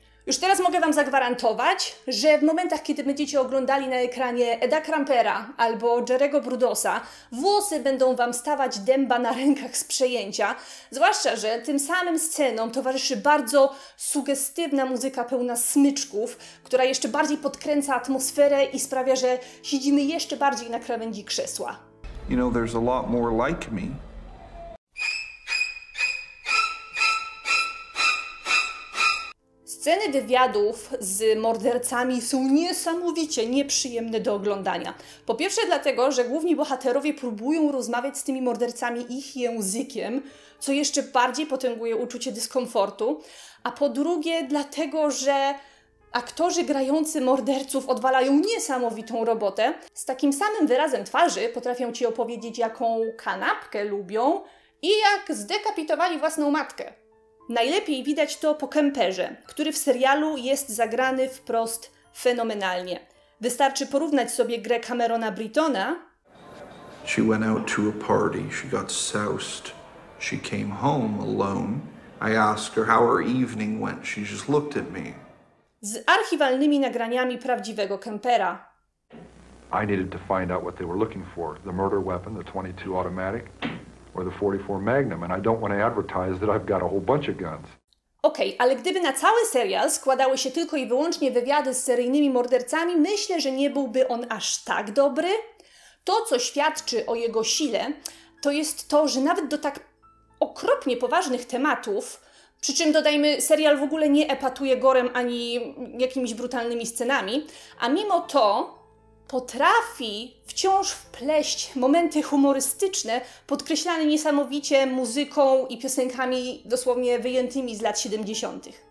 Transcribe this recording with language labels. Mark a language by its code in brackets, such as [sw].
[pl] Już teraz mogę Wam zagwarantować, że w momentach, kiedy będziecie oglądali na ekranie Eda Krampera albo Jerego Brudosa, włosy będą Wam stawać dęba na rękach z przejęcia, zwłaszcza, że tym samym scenom towarzyszy bardzo sugestywna muzyka pełna smyczków, która jeszcze bardziej podkręca atmosferę i sprawia, że siedzimy jeszcze bardziej na krawędzi krzesła. [en] You know, there's a lot more like me. [pl] Sceny wywiadów z mordercami są niesamowicie nieprzyjemne do oglądania. Po pierwsze dlatego, że główni bohaterowie próbują rozmawiać z tymi mordercami ich językiem, co jeszcze bardziej potęguje uczucie dyskomfortu, a po drugie dlatego, że aktorzy grający morderców odwalają niesamowitą robotę. Z takim samym wyrazem twarzy potrafią Ci opowiedzieć, jaką kanapkę lubią i jak zdekapitowali własną matkę. Najlepiej widać to po Kemperze, który w serialu jest zagrany wprost fenomenalnie. Wystarczy porównać sobie grę Camerona Britona. [en] She went out to a party, she got soused. She came home alone. I asked her how her evening went. She just looked at me. [pl] Z archiwalnymi nagraniami prawdziwego Kempera. [en] I needed to find out what they were looking for. The murder weapon, the 22 automatic. Or the 44 Magnum, and I don't want to advertise that I've got a whole bunch of guns. [pl] Okej, ale gdyby na cały serial składały się tylko i wyłącznie wywiady z seryjnymi mordercami, myślę, że nie byłby on aż tak dobry. To, co świadczy o jego sile, to jest to, że nawet do tak okropnie poważnych tematów, przy czym dodajmy, serial w ogóle nie epatuje gorem ani jakimiś brutalnymi scenami, a mimo to potrafi wciąż wpleść momenty humorystyczne, podkreślane niesamowicie muzyką i piosenkami dosłownie wyjętymi z lat 70.